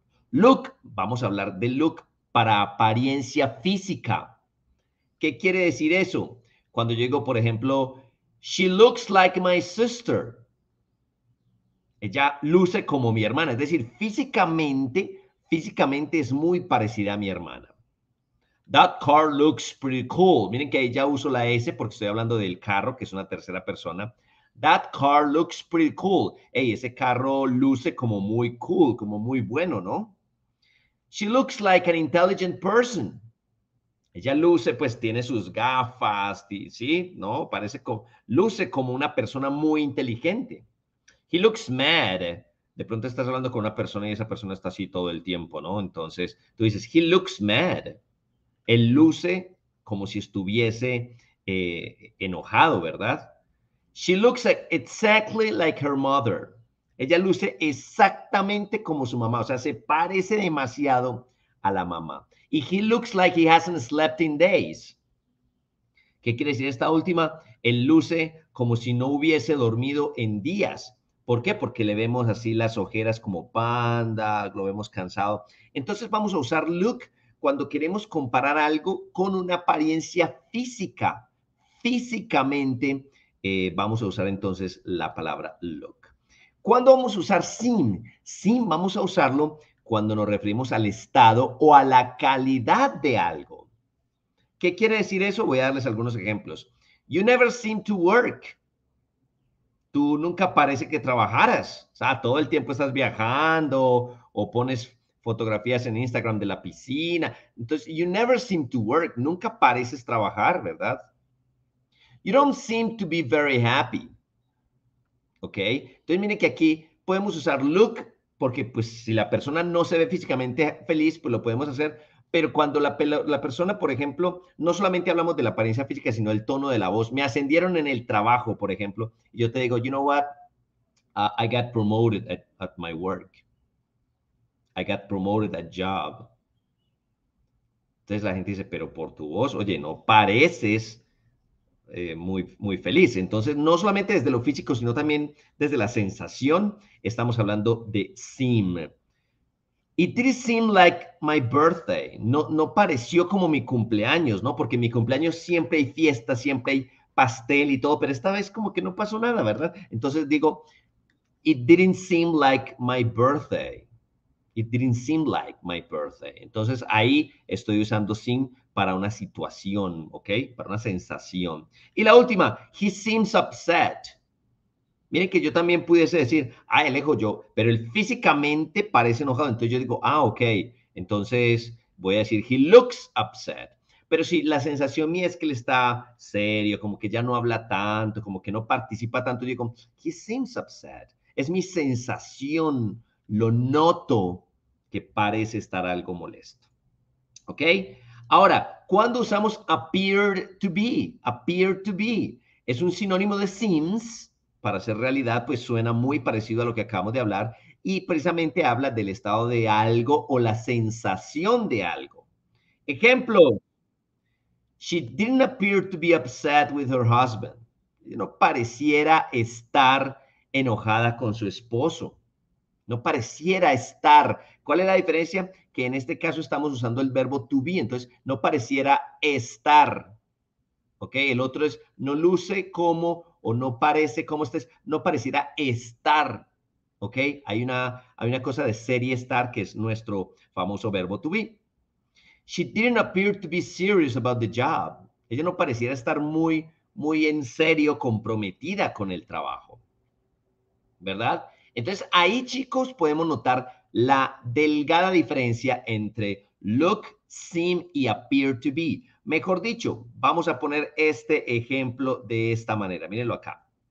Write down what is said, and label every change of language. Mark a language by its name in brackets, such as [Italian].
[Spanish] Look, vamos a hablar de look para apariencia física. ¿Qué quiere decir eso? Cuando yo digo, por ejemplo, [English] she looks like my sister. [Spanish] Ella luce como mi hermana. Es decir, físicamente es muy parecida a mi hermana. [English] That car looks pretty cool. [Spanish] Miren que ahí ya uso la S porque estoy hablando del carro, que es una tercera persona. [English] That car looks pretty cool. [Spanish] Hey, ese carro luce como muy cool, como muy bueno, ¿no? [English] She looks like an intelligent person. [Spanish] Ella luce, pues tiene sus gafas, ¿sí? ¿No? Parece como, luce como una persona muy inteligente. [English] He looks mad. [Spanish] De pronto estás hablando con una persona y esa persona está así todo el tiempo, ¿no? Entonces tú dices, [English] he looks mad. [Spanish] Él luce como si estuviese enojado, ¿verdad? [English] She looks exactly like her mother. [Spanish] Ella luce exactamente como su mamá, o sea, se parece demasiado a la mamá. [English] Y he looks like he hasn't slept in days. [Spanish] ¿Qué quiere decir esta última? Él luce como si no hubiese dormido en días. ¿Por qué? Porque le vemos así las ojeras como panda, lo vemos cansado. Entonces vamos a usar look cuando queremos comparar algo con una apariencia física. Físicamente vamos a usar entonces la palabra look. ¿Cuándo vamos a usar seem? Seem vamos a usarlo cuando nos referimos al estado o a la calidad de algo. ¿Qué quiere decir eso? Voy a darles algunos ejemplos. [English] You never seem to work. [Spanish] Tú nunca parece que trabajaras. O sea, todo el tiempo estás viajando o pones fotografías en Instagram de la piscina. Entonces, [English] you never seem to work. [Spanish] Nunca pareces trabajar, ¿verdad? [English] You don't seem to be very happy. ¿Ok? [Spanish] Entonces, miren que aquí podemos usar look porque, pues, si la persona no se ve físicamente feliz, pues lo podemos hacer. Pero cuando la persona, por ejemplo, no solamente hablamos de la apariencia física, sino el tono de la voz. Me ascendieron en el trabajo, por ejemplo. Y yo te digo, [English] you know what? I got promoted at my work. I got promoted at job. [Spanish] Entonces, la gente dice, pero por tu voz, oye, no pareces muy feliz. Entonces, no solamente desde lo físico, sino también desde la sensación, estamos hablando de seem. [English] It didn't seem like my birthday. [Spanish] No pareció como mi cumpleaños, ¿no? Porque en mi cumpleaños siempre hay fiesta, siempre hay pastel y todo, pero esta vez como que no pasó nada, ¿verdad? Entonces digo, [English] it didn't seem like my birthday. It didn't seem like my birthday. [Spanish] Entonces, ahí estoy usando seem para una situación, ¿ok? Para una sensación. Y la última, [English] he seems upset. [Spanish] Miren que yo también pudiese decir, ah, él dijo yo, pero él físicamente parece enojado. Entonces yo digo, ah, ok. Entonces voy a decir, [English] he looks upset. [Spanish] Pero si la sensación mía es que él está serio, como que ya no habla tanto, como que no participa tanto, yo digo, [English] he seems upset. [Spanish] Es mi sensación, lo noto que parece estar algo molesto. ¿Ok? Ahora, ¿cuándo usamos appear to be? Appear to be es un sinónimo de seems. Para hacer realidad, pues suena muy parecido a lo que acabamos de hablar y precisamente habla del estado de algo o la sensación de algo. Ejemplo, [English] she didn't appear to be upset with her husband. [Spanish] No pareciera estar enojada con su esposo. No pareciera estar. ¿Cuál es la diferencia? Que en este caso estamos usando el verbo to be. Entonces, no pareciera estar. ¿Ok? El otro es no luce como o no parece como estés. No pareciera estar. ¿Ok? Hay una cosa de ser y estar que es nuestro famoso verbo to be. [English] She didn't appear to be serious about the job. [Spanish] Ella no pareciera estar muy, muy en serio comprometida con el trabajo. ¿Verdad? Entonces, ahí, chicos, podemos notar la delgada diferencia entre look, seem y appear to be. Mejor dicho, vamos a poner este ejemplo de esta manera. Mírenlo acá.